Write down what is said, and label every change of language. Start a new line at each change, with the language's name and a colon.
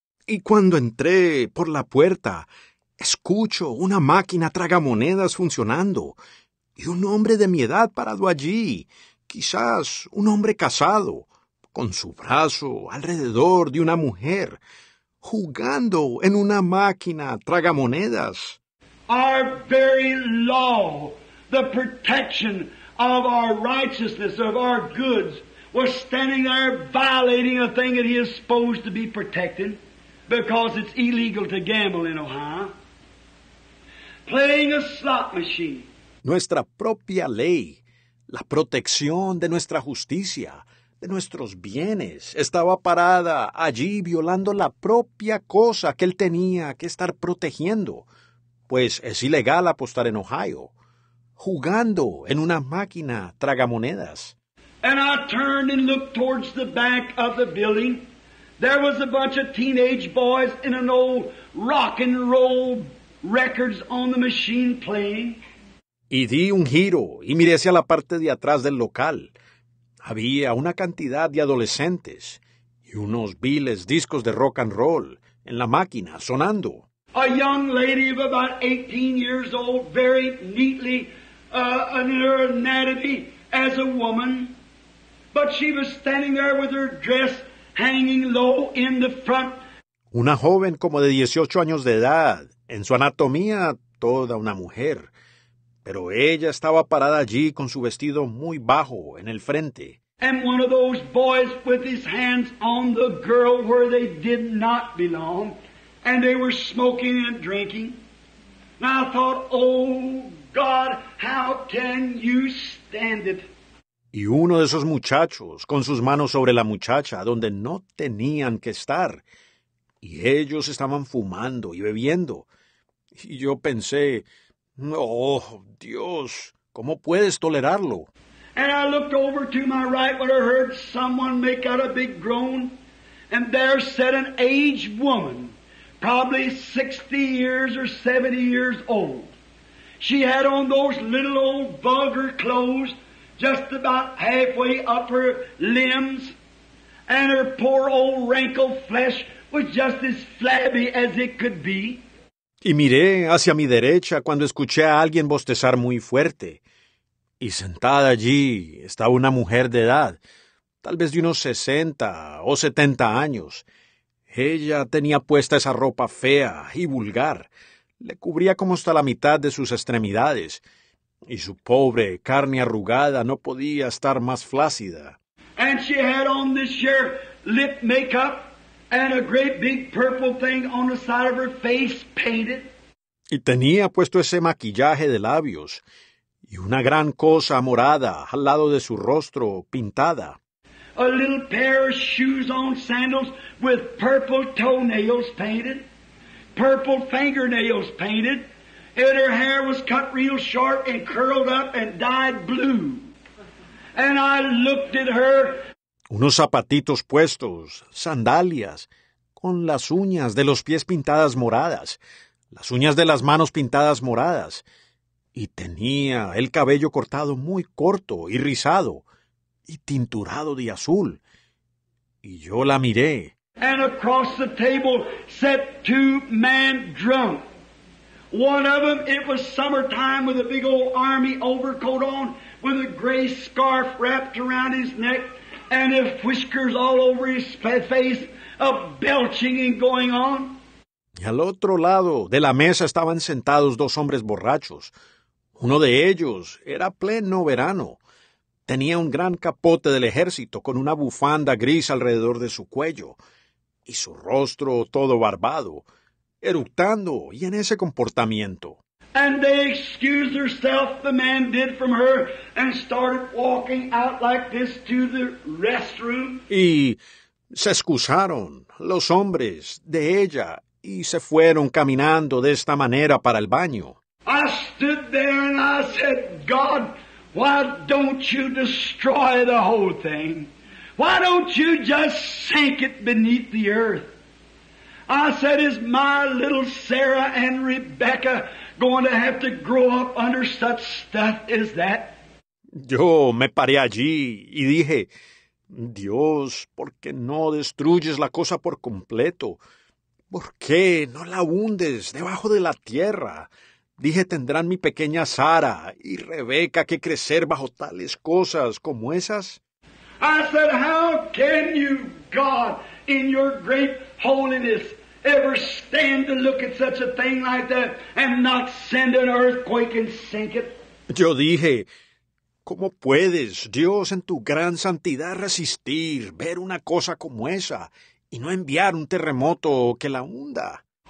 Spanish: Y cuando entré por la puerta, escucho una máquina tragamonedas funcionando, y un hombre de mi edad parado allí, quizás un hombre casado, con su brazo alrededor de una mujer, jugando en una máquina tragamonedas.
English: Our very law, the protection of our righteousness, of our goods, was standing there violating a thing that he is supposed to be protecting, because it's illegal to gamble in Ohio, playing a slot machine.
Spanish: Nuestra propia ley, la protección de nuestra justicia, de nuestros bienes, estaba parada allí violando la propia cosa que él tenía que estar protegiendo, pues es ilegal apostar en Ohio, jugando en una máquina tragamonedas.
English: And I turned and looked towards the back of the building. There was a bunch of teenage boys in an old rock and roll records on the machine playing.
Spanish: Y di un giro y miré hacia la parte de atrás del local. Había una cantidad de adolescentes y unos viles discos de rock and roll en la máquina sonando.
English: A young lady of about 18 years old, very neatly in her anatomy as a woman. But she was standing there with her dress hanging low in the front.
Spanish: Una joven como de 18 años de edad, en su anatomía toda una mujer. Pero ella estaba parada allí con su vestido muy bajo en el frente.
English: And one of those boys with his hands on the girl where they did not belong, and they were smoking and drinking. And I thought, oh God, how can you stand it?
Spanish: Y uno de esos muchachos con sus manos sobre la muchacha donde no tenían que estar. Y ellos estaban fumando y bebiendo. Y yo pensé, oh, Dios, ¿cómo puedes tolerarlo?
English: And I looked over to my right when I heard someone make out a big groan. And there sat an aged woman, probably 60 years or 70 years old. She had on those little old vulgar clothes, just about halfway up her limbs. And her poor old wrinkled flesh was just as flabby as it could be.
Spanish: Y miré hacia mi derecha cuando escuché a alguien bostezar muy fuerte. Y sentada allí estaba una mujer de edad, tal vez de unos 60 o 70 años. Ella tenía puesta esa ropa fea y vulgar. Le cubría como hasta la mitad de sus extremidades. Y su pobre carne arrugada no podía estar más flácida.
English: And she had on this sheer lip makeup. And a great big purple thing on the side of her face painted.
Spanish: Y tenía puesto ese maquillaje de labios y una gran cosa morada al lado de su rostro pintada.
English: A little pair of shoes on sandals with purple toenails painted, purple fingernails painted, and her hair was cut real short and curled up and dyed blue. And I looked at her.
Spanish: Unos zapatitos puestos, sandalias, con las uñas de los pies pintadas moradas, las uñas de las manos pintadas moradas. Y tenía el cabello cortado muy corto y rizado y tinturado de azul. Y yo la miré.
English: And across the table sat two men drunk. One of them, it was summertime with a big old army overcoat on, with a gray scarf wrapped around his neck, and his whiskers all over his face, a belching and going on.
Spanish: Y al otro lado de la mesa estaban sentados dos hombres borrachos. Uno de ellos era pleno verano. Tenía un gran capote del ejército con una bufanda gris alrededor de su cuello, y su rostro todo barbado, eructando y en ese comportamiento.
English: And they excused herself, the man did, from her, and started walking out like this to the restroom.
Spanish: Y se excusaron los hombres de ella y se fueron caminando de esta manera para el baño.
English: I stood there and I said, God, why don't you destroy the whole thing? Why don't you just sink it beneath the earth? I said, is my little Sarah and Rebecca going to have to grow up under such stuff as that?
Spanish: Yo me paré allí y dije, Dios, ¿por qué no destruyes la cosa por completo? ¿Por qué no la hundes debajo de la tierra? Dije, ¿tendrán mi pequeña Sara y Rebeca que crecer bajo tales cosas como esas?
English: I said, how can you, God, in your great holiness, ever stand to look at such a thing like that and not send an earthquake and sink it?
Spanish: Yo dije, ¿cómo puedes, Dios, en tu gran santidad, resistir ver una cosa como esa y no enviar un terremoto que la hunda?